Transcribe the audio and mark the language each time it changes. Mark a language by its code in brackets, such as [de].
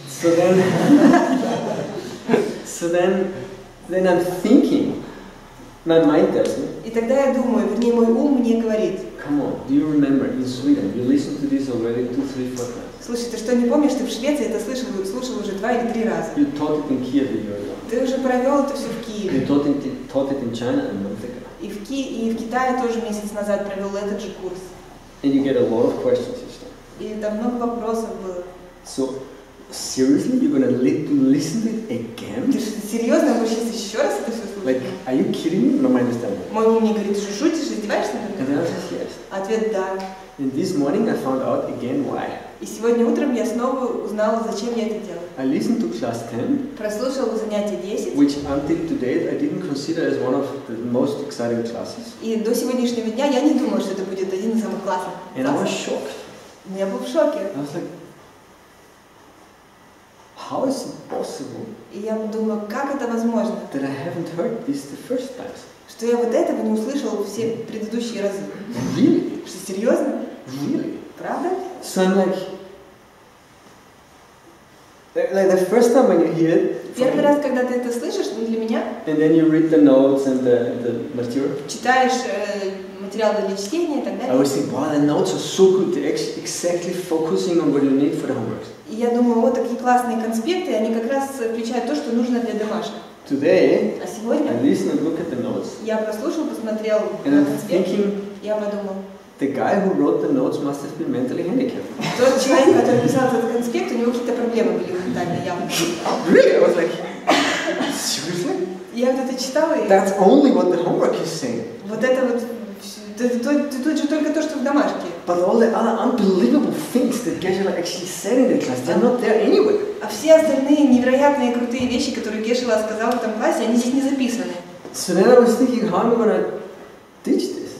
[en] So then, so then I'm thinking. My mind tells me. [ru] И тогда я думаю, вернее, мой ум мне говорит. [en] Come on, do you remember in Sweden? You listened to this already 2-3 times. [ru] Слушай, ты что, не помнишь, ты в Швеции это слышал уже 2 или 3 раза? [en] You taught it in Kiev a year ago. [ru] Ты уже провел это все в Киеве. [en] You taught it in China a month ago. [ru] И в Китае тоже месяц назад провел этот же курс. [en] And you get a lot of questions each time. [ru] И там много вопросов было. [en] So seriously, you're gonna listen to it again? [ru] Ты что, серьезно, будешь сейчас еще раз это все слушать? [en] Like, are you kidding me? No, my understanding. [ru] Мой ум мне говорит, что шутишь, издеваешься надо мной? [en] And the answer is yes. [ru] Ответ да. [en] And this morning I found out again why. [ru] И сегодня утром я снова узнала, зачем я это делаю. [en] I listened to class 10. [ru] Прослушала занятие 10. [en] Which until today I didn't consider as one of the most exciting classes. [ru] И до сегодняшнего дня я не думала, что это будет один из самых классных. [en] And I was shocked. [ru] Я был в шоке. [en] I was like, how is it possible? [ru] И я думаю, как это возможно? [en] That I haven't heard this the first time. [ru] Что я вот этого не услышал все предыдущие разы. [en] Really? [ru] Что, серьезно? [en] Really? [ru] Правда? [en] So I'm like the first time when you hear it. [ru] Первый раз, когда ты это слышишь, ну для меня. [en] And then you read the notes and the material. [ru] Читаешь материал для чтения и так далее. [en] I was thinking, wow, the notes are so good. They're exactly focusing on what you need for the homework. [ru] И я думаю, вот такие классные конспекты, они как раз включают то, что нужно для домашнего. [en] Today, [ru] а сегодня, [en] I listened and looked at the notes. [ru] Я прослушал, посмотрел [en] and [ru] на [en] I'm [ru] конспекты. [en] Thinking, [ru] я подумал. [en] The guy who wrote the notes must have been mentally handicapped. [ru] Тот человек, который писал этот конспект, у него какие-то проблемы были ментально явно. [en] Really? I was like, seriously? [ru] Я вот это читала и... [en] That's only what the homework is saying. [ru] Вот это вот... Тут же только то, что в домашке. [en] But all the other unbelievable things that Geshe-la actually said in the class, they're not there anyway. [ru] А все остальные невероятные крутые вещи, которые Geshe-la сказала в том классе, они здесь не записаны. [en] So then I was thinking, how am I gonna teach this?